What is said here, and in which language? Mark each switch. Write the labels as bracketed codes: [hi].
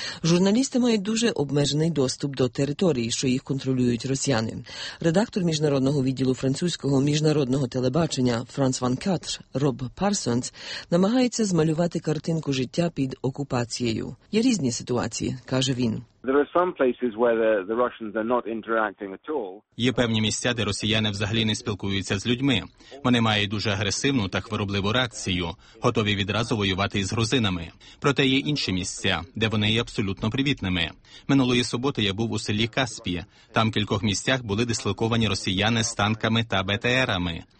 [uk] Журналісти мають дуже обмежений доступ до території, що їх контролюють росіяни. Редактор міжнародного відділу французького міжнародного телебачення Франс Ван Катр Роб Парсонс намагається змалювати картинку життя під окупацією. Є різні ситуації, каже він. [en] There are some places where the Russians are not interacting at all. [uk] Є певні місця, де росіяни взагалі не спілкуються з людьми. Вони мають дуже агресивну та хворобливу реакцію, готові відразу воювати із грузинами. Проте є інші місця, де вони є абсолютно привітними. Минулої суботи я був у селі Каспі. Там в кількох місцях були дислоковані росіяни з танками та БТРами.